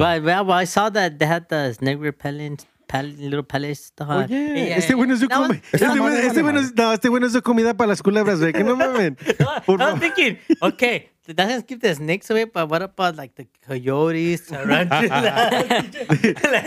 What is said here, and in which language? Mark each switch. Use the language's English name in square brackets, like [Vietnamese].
[English] Right, well, I saw that they had the snake repellent, little pellets. Oh, yeah. [Spanish] Este bueno es de comida para las culebras, güey. Que no mames. [English] I'm thinking, okay, that's going to keep the snakes away, but what about, like, the coyotes, tarantulas?